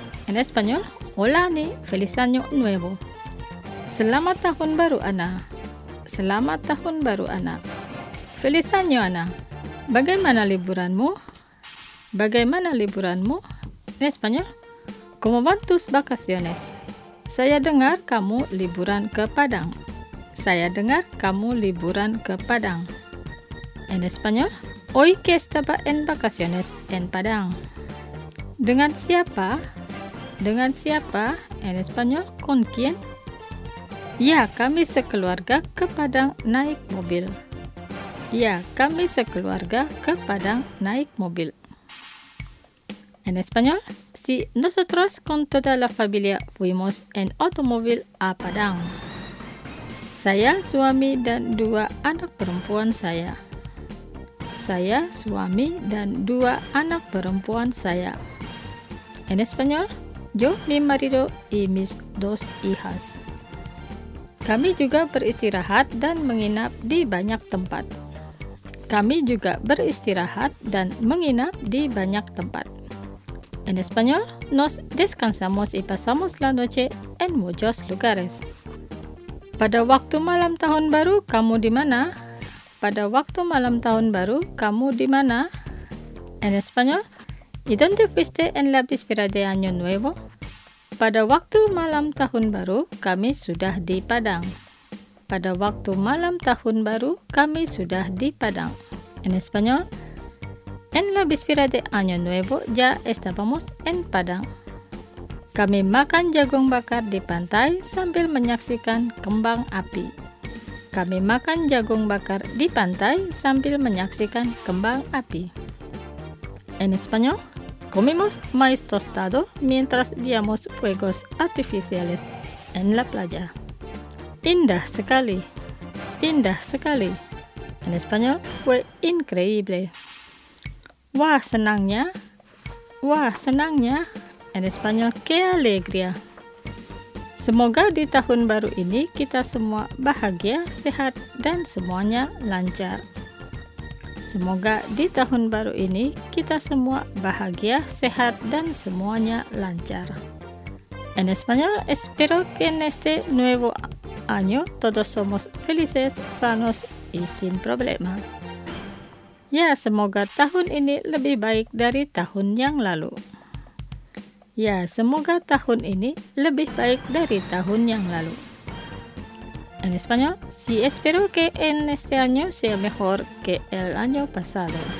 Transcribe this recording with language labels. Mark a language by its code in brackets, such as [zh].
[es] En español, hola Ani, feliz año nuevo. [id] Selamat tahun baru Ana. Selamat tahun baru Ana. [es] Feliz año Ana. [id] Bagaimana liburanmu? Bagaimana liburanmu? [es] En español, ¿cómo van tus vacaciones? [id] Saya dengar kamu liburan ke Padang. Saya dengar kamu liburan ke Padang. [es] En español, hoy que estaba en vacaciones en Padang. [id] Dengan siapa? Dengan siapa? [es] En español, ¿con quién? [id] Ya, kami sekeluarga ke Padang naik mobil. Ya, kami sekeluarga ke Padang naik mobil. [es] En español, si nosotros con toda la familia fuimos en automóvil a Padang. [id] Saya, suami dan dua anak perempuan saya. Saya, suami dan dua anak perempuan saya. [es] En español, yo, mi marido y mis dos hijas. [id] Kami juga beristirahat dan menginap di banyak tempat. Kami juga beristirahat dan menginap di banyak tempat. [es] En español, nos descansamos y pasamos la noche en muchos lugares. [id] Pada waktu malam tahun baru, kamu di mana? Pada waktu malam tahun baru, kamu di mana? [es] En español, ¿y dónde fuiste en la víspera de año nuevo? [id] Pada waktu malam tahun baru, kami sudah di Padang. Pada waktu malam tahun baru, kami sudah di Padang. [es] En español, en la víspera de año nuevo ya estábamos en Padang. [id] Kami makan jagung bakar di pantai sambil menyaksikan kembang api. Kami makan jagung bakar di pantai sambil menyaksikan kembang api. [es] En español, comimos maíz tostado mientras veíamos fuegos artificiales en la playa. [id] Indah sekali. Indah sekali. [es] En español, fue increíble. [id] Wah, senangnya. Wah, senangnya. [es] En español, qué alegría. [id] Semoga di tahun baru ini kita semua bahagia, sehat, dan semuanya lancar. Semoga di tahun baru ini kita semua bahagia, sehat, dan semuanya lancar. [es] En español, espero que en este nuevo año todos somos felices, sanos, y sin problema. [id] Ya, semoga tahun ini lebih baik dari tahun yang lalu. Ya, semoga tahun ini lebih baik dari tahun yang lalu. [es] En español, sí, espero que en este año sea mejor que el año pasado.